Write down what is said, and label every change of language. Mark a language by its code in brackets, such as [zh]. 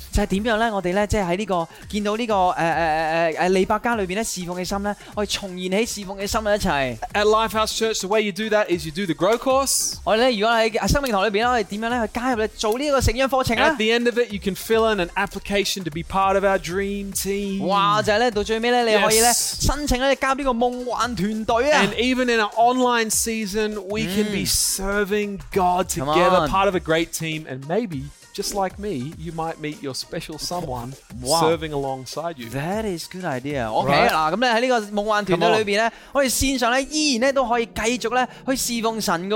[yue] 就係點樣呢？我哋呢，即係喺呢個，見到呢個，利百家裏面呢，侍奉嘅心呢，我哋重燃起侍奉嘅心一齊。 [en] At Lifehouse Church, the way you do that is you do the Grow Course. [yue] 我哋呢，如果喺生命堂裏面呢，我哋點樣呢，去加入呢，做呢個成長課程呢？ [en] At the end of it, you can fill in an application to be part of our dream team. [yue] 哇，就係呢，到最尾呢，你可以呢，申請呢，加入呢個夢幻團隊啊。 [en] And even in our online season, we can be serving God together, part of aGreat team, and maybe just like me, you might meet your special someone serving alongside you. That is good idea. [yue] Okay, 嗱，咁咧喺呢个梦幻团队里边咧，我哋线上咧依然咧都可以继续咧去侍奉神噶。